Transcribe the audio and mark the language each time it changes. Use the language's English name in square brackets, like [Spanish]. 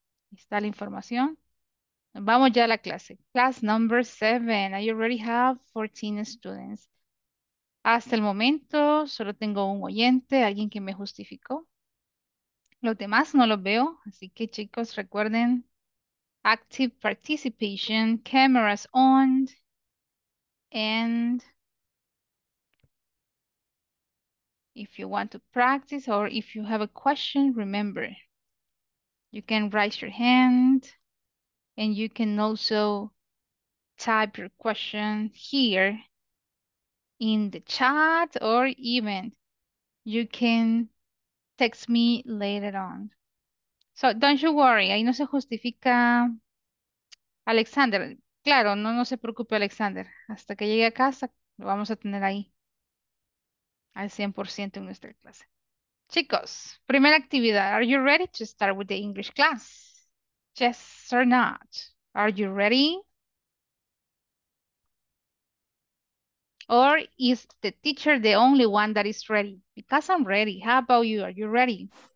[Spanish] Ahí está la información. Vamos ya a la clase. [English] Class number 7. I already have 14 students. [Spanish] Hasta el momento solo tengo un oyente, alguien que me justificó. Los demás no los veo, así que chicos, recuerden. [English] Active participation, cameras on, and if you want to practice or if you have a question, remember, you can raise your hand and you can also type your question here in the chat or even you can text me later on. So, don't you worry, [Spanish] ahí no se justifica Alexander. Claro, no se preocupe Alexander. Hasta que llegue a casa, lo vamos a tener ahí al 100% en nuestra clase. Chicos, primera actividad. [English] Are you ready to start with the English class? Yes or not? Are you ready? Or is the teacher the only one that is ready? Because I'm ready. How about you? Are you ready?